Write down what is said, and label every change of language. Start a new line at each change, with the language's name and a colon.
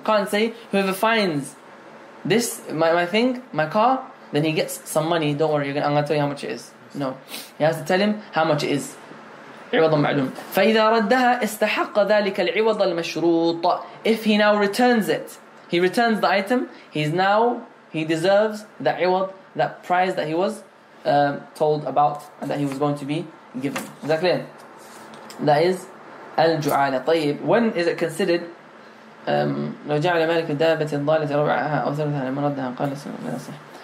English: Can't say whoever finds this, my thing, my car, then he gets some money. Don't worry, I'm going to tell you how much it is. No, he has to tell him how much it is.
Arabic: عوضا معلوم. فإذا ردها استحق ذلك العوض المشروط.
English: If he now returns it, he returns the item, he deserves that عوض, that prize that he was told about and that he was going to be given. Is that clear? That is الجعالة.
Arabic: طيب,
English: when is it considered
Arabic: لو جعل مالك الدابة الضالة ربعها أو ثلثها لما ردها قال سلام لا صح.